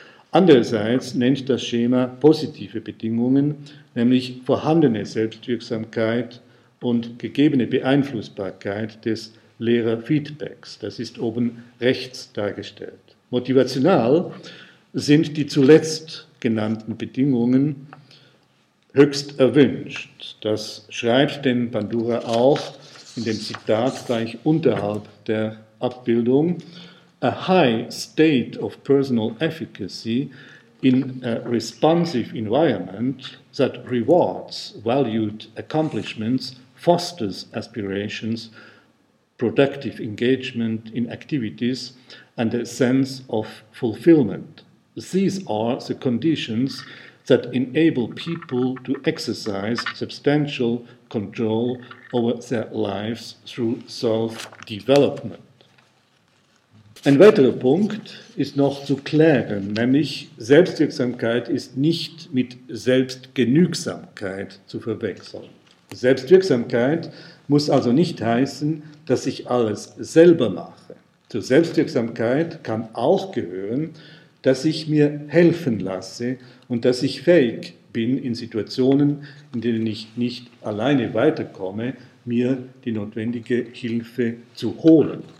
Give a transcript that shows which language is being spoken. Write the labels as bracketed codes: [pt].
[de] Andererseits nennt das Schema positive Bedingungen, nämlich vorhandene Selbstwirksamkeit und gegebene Beeinflussbarkeit des Lehrerfeedbacks, das ist oben rechts dargestellt. Motivational sind die zuletzt genannten Bedingungen höchst erwünscht. Das schreibt denn Bandura auch in dem Zitat gleich unterhalb der Abbildung. [en] A high state of personal efficacy in a responsive environment that rewards valued accomplishments fosters aspirations, productive engagement in activities and a sense of fulfillment. These are the conditions that enable people to exercise substantial control over their lives through self-development. [de] Ein weiterer Punkt ist noch zu klären, nämlich Selbstwirksamkeit ist nicht mit Selbstgenügsamkeit zu verwechseln. Selbstwirksamkeit muss also nicht heißen, dass ich alles selber mache. Zur Selbstwirksamkeit kann auch gehören, dass ich mir helfen lasse und dass ich fähig bin, in Situationen, in denen ich nicht alleine weiterkomme, mir die notwendige Hilfe zu holen.